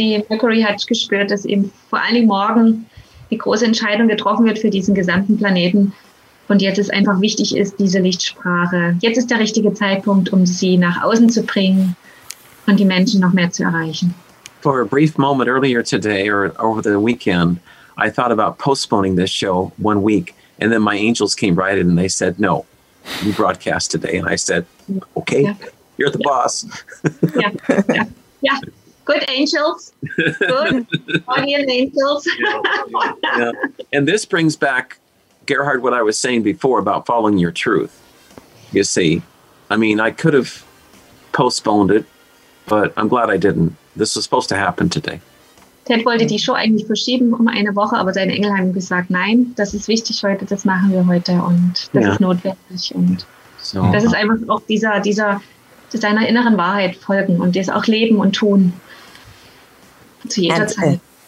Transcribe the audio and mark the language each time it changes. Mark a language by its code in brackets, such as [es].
[de] Mercury hat gespürt, dass eben vor allen Dingen morgen die große Entscheidung getroffen wird für diesen gesamten Planeten. Und jetzt ist einfach wichtig, ist diese Lichtsprache. Jetzt ist der richtige Zeitpunkt, um sie nach außen zu bringen und die Menschen noch mehr zu erreichen. [en] For a brief moment earlier today or over the weekend, I thought about postponing this show 1 week. And then my angels came right in and they said, no, you broadcast today. And I said, okay, yeah. You're the boss. Yeah, yeah. Yeah, good angels, good audience angels. Yeah. And this brings back, Gerhard, what I was saying before about following your truth. You see, I mean, I could have postponed it, but I'm glad I didn't. This was supposed to happen today. [de] Ted wollte die Show eigentlich verschieben um eine Woche, aber seine Engel haben gesagt, nein, das ist wichtig heute, das machen wir heute und das ist notwendig. Und so, das ist einfach auch dieser seiner inneren Wahrheit folgen und das auch leben und tun zu jeder Zeit.